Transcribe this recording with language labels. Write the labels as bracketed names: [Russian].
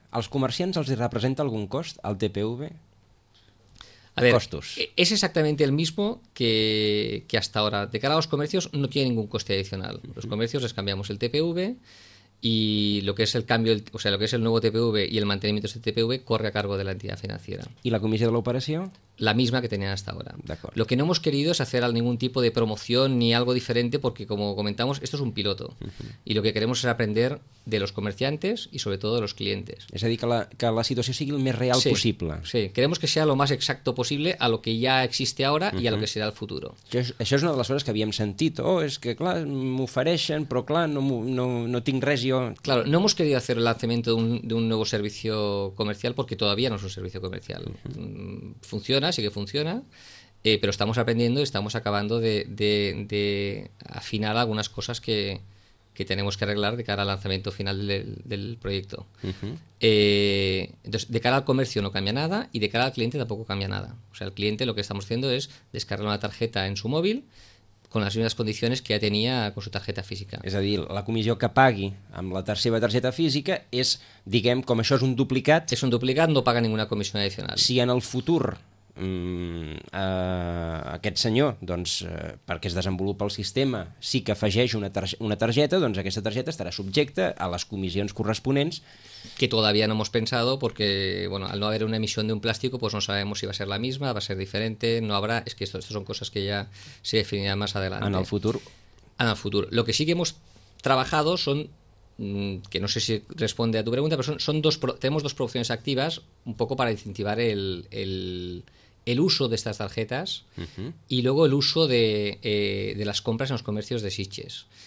[Catalan] Als comerciants els hi representa algun cost, el TPV? [Spanish] A ver, costos. Es exactamente el mismo que hasta ahora. De cara a los comercios no tiene ningún coste adicional. Los comercios les cambiamos el TPV y lo que es el cambio, o sea, lo que es el nuevo TPV y el mantenimiento de ese TPV corre a cargo de la entidad financiera. ¿Y la comisión de la operación? La misma que tenían hasta ahora. [Catalan] D'acord. [Spanish] Lo que no hemos querido es hacer ningún tipo de promoción ni algo diferente porque, como comentamos, esto es un piloto. Uh-huh. Y lo que queremos es aprender de los comerciantes y, sobre todo, de los clientes. Es decir, que la situación [Catalan] sigui [Spanish] el más real possible. Sí, queremos que sea lo más exacto posible a lo que ya existe ahora y a lo que será el futuro. [Catalan] Això és una de les coses que havíem sentit. Oh, és que, clar, m'ofereixen, però, clar, no tinc res jo. [Spanish] Claro, no hemos querido hacer el lanzamiento de un nuevo servicio comercial porque todavía no es un servicio comercial. Uh-huh. Funciona, pero estamos aprendiendo y estamos acabando de afinar algunas cosas que tenemos que arreglar de cara al lanzamiento final del proyecto. Uh-huh. Entonces, de cara al comercio no cambia nada y de cara al cliente tampoco cambia nada. O sea, el cliente lo que estamos haciendo es descargar una tarjeta en su móvil con las mismas condiciones que ya tenía con su tarjeta física. Es decir, la comisión que [Catalan] pagui amb [Spanish] la tercera tarjeta física es, [Catalan] diguem, [Spanish] como eso es un duplicat... Es un duplicat, no paga ninguna comisión adicional. Si en el futuro... [Catalan] aquest senyor, doncs, perquè es desenvolupa el sistema, sí que afegeix una targeta, doncs aquesta targeta estarà subjecta a les comissions corresponents. [Spanish] Que todavía no hemos pensado, porque bueno, al no haber una emisión de un plástico, pues no sabemos si va a ser la misma, va a ser diferente, no habrá, es que esto son cosas que ya se definirán más adelante. En el futuro. En el futuro. Lo que sí que hemos trabajado son, que no sé si responde a tu pregunta, pero tenemos dos producciones activas, un poco para incentivar el uso de estas tarjetas, uh-huh, y luego el uso de las compras en los comercios de Sitges.